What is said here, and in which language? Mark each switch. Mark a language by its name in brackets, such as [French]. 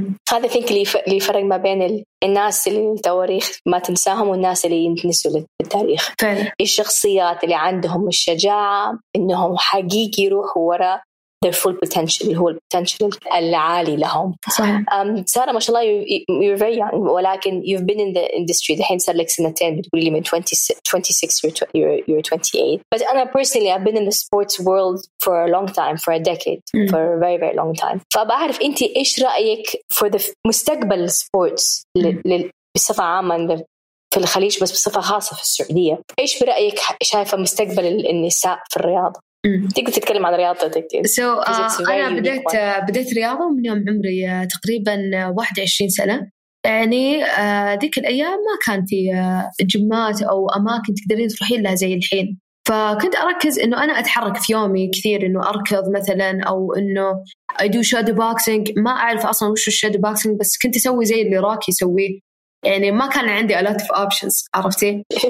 [Arabic] هذا فينك اللي يفرق ما بين الناس اللي التواريخ ما تنساهم والناس اللي ينتنسوا للتاريخ. فعلا الشخصيات اللي عندهم الشجاعه انهم حقيقي يروحوا وراء [English] their full potential [Arabic] اللي هو البوتنشل العالي لهم. صحيح. ساره ما شاء الله [English] you're very young [Arabic] ولكن [English] you've been in the industry [Arabic] الحين صار لك سنتين بتقول لي من 26 [English] you're 28 but [Arabic] انا [English] personally I've been in the sports world for a long time for a decade for a very very long time. [Arabic] فبعرف انت ايش رايك [English] for the [Arabic] مستقبل sports بصفه عامه في الخليج بس بصفه خاصه في السعوديه، ايش برايك شايفه مستقبل النساء في الرياضه؟ تقدر تتكلم عن رياضتك؟ أنا بديت رياضة من يوم عمري تقريباً 21 سنة، يعني ذيك الأيام ما كان في جمات أو أماكن تقدرين تروحين لها زي الحين، فكنت أركز أنه أنا أتحرك في يومي كثير، أنه أركض مثلاً أو أنه [English] I do shadow boxing، [Arabic] ما أعرف أصلاً وش الشادو boxing بس كنت أسوي زي اللي راكي يسويه، يعني ما كان عندي [English] a lot of options [Arabic] عرفتي.